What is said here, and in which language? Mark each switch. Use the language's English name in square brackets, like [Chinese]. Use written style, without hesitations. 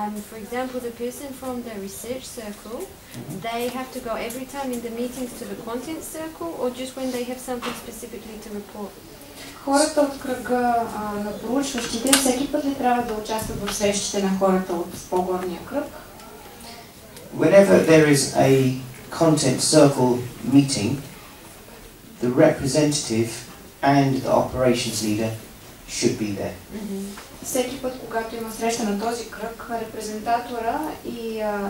[English] For example, the person from the research circle, they have to go every time in the meetings to the content circle, or just when they have something specifically to report? [Bulgarian] Хората от кръга на проучващите всеки път ли трябва да участват в срещите на хората от по-горния кръг? [English] Whenever there is a content circle meeting, the representative and the operations leader should be there. [Bulgarian] Всеки път, когато има среща на този кръг, репрезентатора и